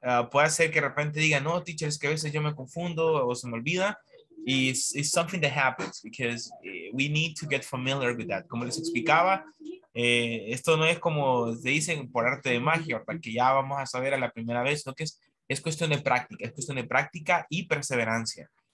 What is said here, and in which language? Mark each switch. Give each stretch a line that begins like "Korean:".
Spanish: Puede ser que de repente diga, no, teachers, que a veces yo me confundo o se me olvida.
English: It's something that happens because we need to get familiar with that.
Spanish: Como les explicaba, esto no es como se dicen por arte de magia, porque ya vamos a saber a la primera vez, lo que es cuestión de práctica, es cuestión de práctica y perseverancia.